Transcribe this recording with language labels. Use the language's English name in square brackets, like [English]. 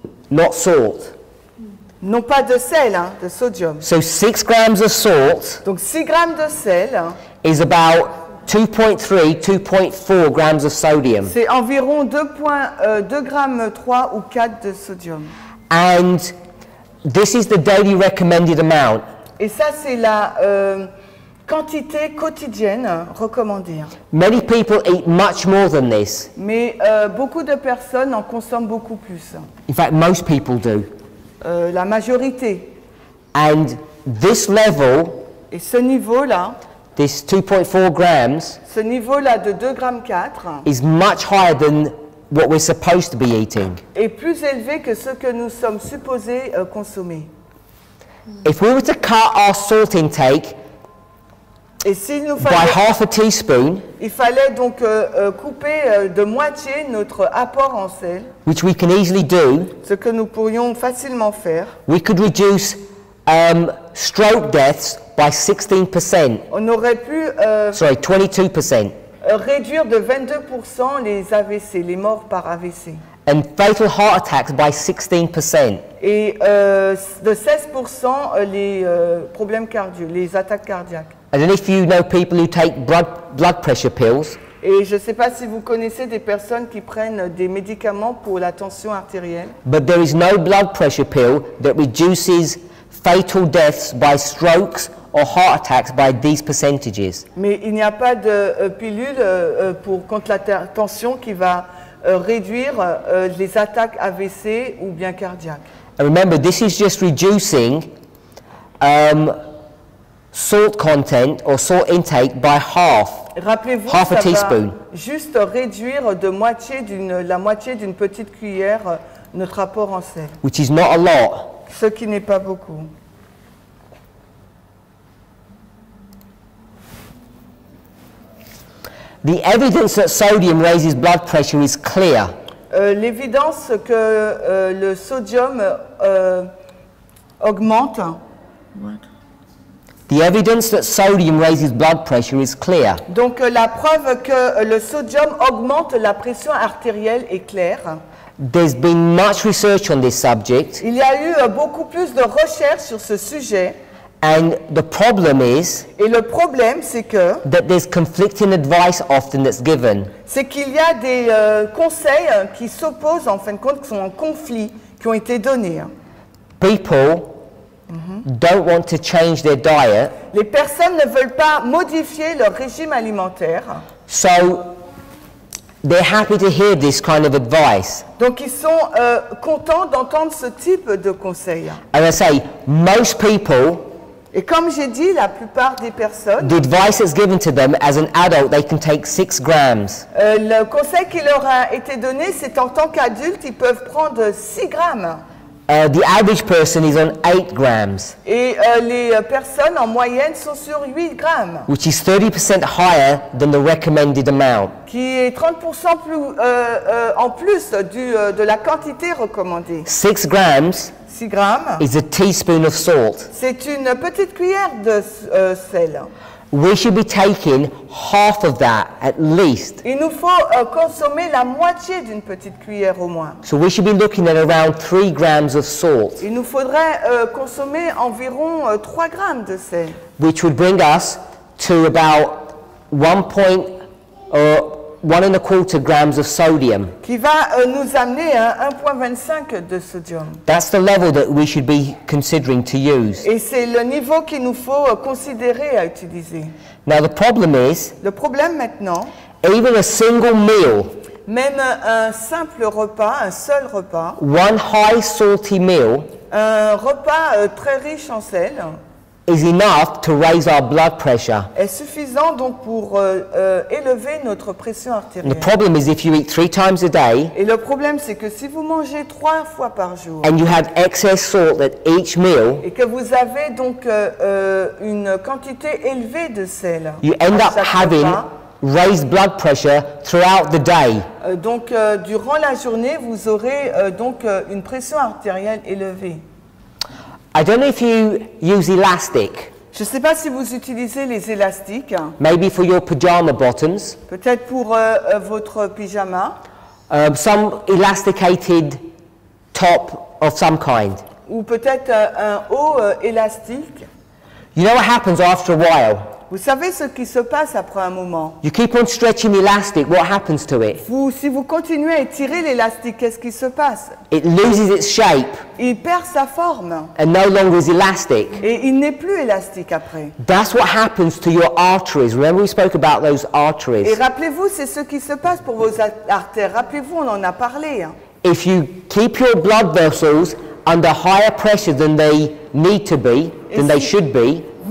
[English] Not salt. [French] Non pas de sel, hein, de sodium. [English] So 6 grams of salt. [French] Donc 6 grammes de sel. [English] Is about 2.3-2.4 grams of sodium. [French] C'est environ 2.3 ou 4 de sodium. [English] And this is the daily recommended amount. [French] Et ça c'est la quantité quotidienne recommandée. [English] Many people eat much more than this. [French] Mais beaucoup de personnes en consomment beaucoup plus. [English] In fact, most people do. [French] La majorité. [English] And this level, [French] et ce niveau-là, [English] this 2.4 grams, [French] ce niveau-là de 2.4 grammes, [English] is much higher than what we're supposed to be eating. [French] Est plus élevé que ce que nous sommes supposés consommer. [English] If we were to cut our salt intake, [French] et s'il nous fallait, [English] by half a teaspoon, [French] il fallait donc couper de moitié notre apport en sel, [English] which we can easily do, [French] ce que nous pourrions facilement faire, [English] we could reduce stroke deaths by 16%. [French] On aurait pu 22%. Réduire de 22% les AVC, les morts par AVC. [English] And fatal heart attacks by 16%. [French] Et de 16% les problèmes cardiaques, les attaques cardiaques. [English] I don't know if you know people who take blood pressure pills. [French] Et je sais pas si vous connaissez des personnes qui prennent des médicaments pour la tension artérielle. [English] But there is no blood pressure pill that reduces fatal deaths by strokes or heart attacks by these percentages. [French] Mais il n'y a pas de pilule pour contre la tension qui va réduire les attaques AVC ou bien cardiaques. [English] And remember, this is just reducing salt content or salt intake by half. [French] Rappelez-vous, [English] half a teaspoon. [French] Juste réduire de moitié d'une petite cuillère notre apport en sel. [English] Which is not a lot. [French] Ce qui n'est pas beaucoup. [English] The evidence that sodium raises blood pressure is clear. [French] L'évidence que le sodium augmente. [English] The evidence that sodium raises blood pressure is clear. [French] Donc la preuve que le sodium augmente la pression artérielle est claire. [English] There's been much research on this subject. [French] Il y a eu beaucoup plus de recherches sur ce sujet. [English] And the problem is [French] et le problème, c'est que [English] that there's conflicting advice often that's given. [French] C'est qu'il y a des conseils qui s'opposent en fin de compte, qui sont en conflit, qui ont été donnés. [English] People don't want to change their diet. [French] Les personnes ne veulent pas modifier leur régime alimentaire. [English] So they're happy to hear this kind of advice. [French] Donc ils sont contents d'entendre ce type de conseil. [English] And I say most people. [French] Et comme j'ai dit, la plupart des personnes. [English] The advice is given to them as an adult, they can take 6 grams. [French] Le conseil qui leur a été donné, c'est en tant qu'adulte, ils peuvent prendre 6 grammes. [English] The average person is on 8 grams. [French] Et les personnes en moyenne sont sur 8 grammes. [English] Which is 30% higher than the recommended amount. [French] Qui est 30% plus en plus de la quantité recommandée. [English] 6 grams. [French] 6 grammes. [English] Is a teaspoon of salt. [French] C'est une petite cuillère de sel. [English] We should be taking half of that at least. [French] Il nous faut consommer la moitié d'une petite cuillère au moins. [English] So we should be looking at around 3 grams of salt. [French] Il nous faudrait consommer environ 3 grammes de sel. [English] Which would bring us to about 1.25 grams of sodium. [French] Qui va nous amener à 1.25 de sodium. [English] That's the level that we should be considering to use. [French] Et c'est le niveau qu'il nous faut considérer à utiliser. [English] Now the problem is. [French] Le problème maintenant. [English] Even a single meal. [French] Même un simple repas, un seul repas. [English] One high salty meal. [French] Un repas très riche en sel. [English] Is enough to raise our blood pressure. [French] Est suffisant donc pour élever notre pression artérielle. [English] The problem is if you eat 3 times a day. [French] Et le problème c'est que si vous mangez 3 fois par jour. [English] And you have excess salt at each meal. [French] Et que vous avez donc une quantité élevée de sel. [English] You end up having raised blood pressure throughout the day. [French] Donc durant la journée vous aurez donc une pression artérielle élevée. [English] I don't know if you use elastic. [French] Je sais pas si vous utilisez les élastiques. [English] Maybe for your pajama bottoms. [French] Peut-être pour votre pyjama. [English] Some elasticated top of some kind. [French] Ou peut-être un haut élastique. [English] You know what happens after a while? [French] Vous savez ce qui se passe après un moment. [English] You keep on stretching the elastic, what happens to it? [French] Vous, si vous continuez à étirer l'élastique, qu'est-ce qui se passe? [English] It loses its shape. [French] Il perd sa forme. [English] And no longer is elastic. [French] Et il n'est plus élastique après. [English] That's what happens to your arteries. Remember we spoke about those arteries. [French] Et rappelez-vous, c'est ce qui se passe pour vos artères. Rappelez-vous, on en a parlé. [English] If you keep your blood vessels under higher pressure than they need to be, than they should be,